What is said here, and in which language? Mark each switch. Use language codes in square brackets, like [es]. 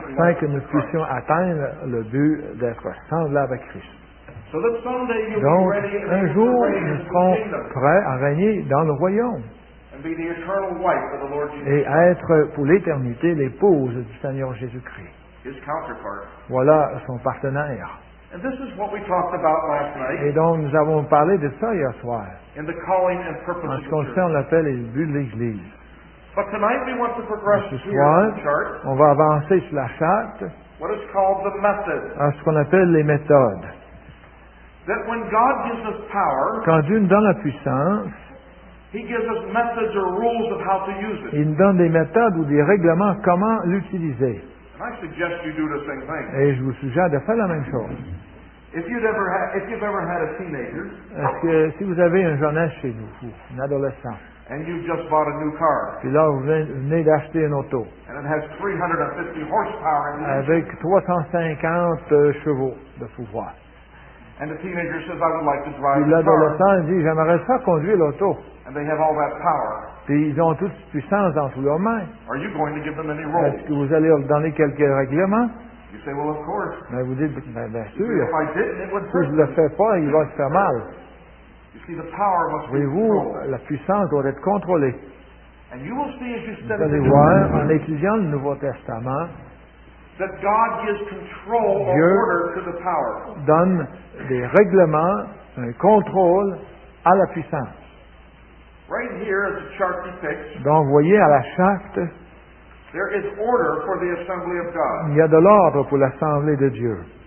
[fr] afin que nous puissions atteindre le but d'être ressemblable à Christ. [en] So that someday you'll [fr] donc, [en] be ready [fr] un jour, nous serons prêts à régner dans le royaume [en] and be the eternal wife of the Lord Jesus. [fr] Et à être pour l'éternité l'épouse du Seigneur Jésus-Christ. [en] His counterpart. [fr] Voilà son partenaire. [en] And this is what we talked about last night. [fr] Et donc, nous avons parlé de ça hier soir [en] in the calling and purpose [fr] en ce qui concerne l'appel et le but de l'Église. [en] But tonight we want to progress [fr] ce soir, [en] here on the chart. [fr] On va avancer sur la charte. [en] What is called the method. [fr] À ce qu'on appelle les méthodes. [en] That when God gives us power, [fr] quand Dieu nous donne la puissance, [en] He gives us methods or rules of how to use it. [fr] Il nous donne des méthodes ou des règlements comment l'utiliser. [en] And I suggest you do the same thing. [fr] Et je vous suggère de faire la même chose. [en] If you've ever had a teenager, [fr] est-ce que si vous avez un jeune âge chez vous, un adolescent. [en] And you've just bought a new car. [fr] Puis là, vous venez d'acheter une auto. [en] And it has 350 horsepower in it. [fr] Avec 350 chevaux de pouvoir. [en] And the teenager says, I would like to drive [fr] puis l'adolescent dit, j'aimerais ça conduire l'auto. [en] And they have all that power. [fr] Puis ils ont toute cette puissance dans leurs mains. [en] Are you going to give them any rules? [fr] Est-ce que vous allez leur donner quelques règlements? [en] You say, well, of course. [fr] Mais vous dites, ben, bien sûr. [en] If I didn't, it would [fr] si je ne le fais pas, il va se faire mal. [en] You see, the power must be [fr] voyez-vous, la puissance doit être contrôlée. [en] And you will see as you study [fr] vous allez voir, en étudiant le Nouveau Testament, [en] that God gives control [fr] Dieu [en] or order to the power. [fr] Donne des règlements, un contrôle à la puissance. [en] Right here, as the chart depicts, [fr] donc, vous voyez, à la charte, [en] there is order for the assembly of God. [fr] Il y a de l'ordre pour l'Assemblée de Dieu.